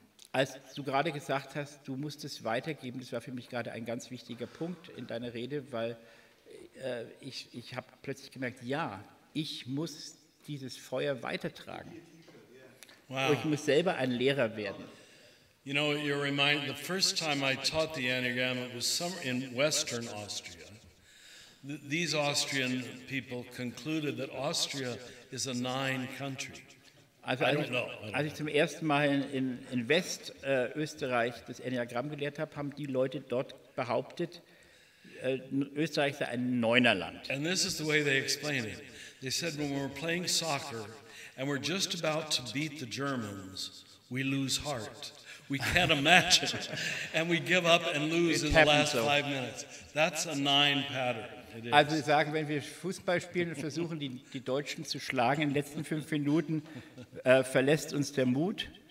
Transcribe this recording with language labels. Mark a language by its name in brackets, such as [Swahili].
[German] Als du gerade gesagt hast, du musst es weitergeben, das war für mich gerade ein ganz wichtiger Punkt in deiner Rede, weil ich habe plötzlich gemerkt, ja, ich muss dieses Feuer weitertragen. Wow. Ich muss selber ein Lehrer werden. [English] You know, you're reminded, the first time I taught the Enneagram, it was somewhere in Western Austria. These Austrian people concluded that Austria is a 9 country. [German] Als ich zum ersten Mal in Westösterreich das Enneagramm gelehrt habe, haben die Leute dort behauptet, Österreich sei ein 9er-Land. [English] And this is the way they explain it. They said, when we're playing soccer and we're just about to beat the Germans, we lose heart. We can't imagine it. And we give up and lose in the last 5 minutes. That's a 9 pattern. [German] Also sie sagen, wenn wir Fußball spielen und versuchen, die Deutschen zu schlagen, in den letzten 5 Minuten verlässt uns der Mut.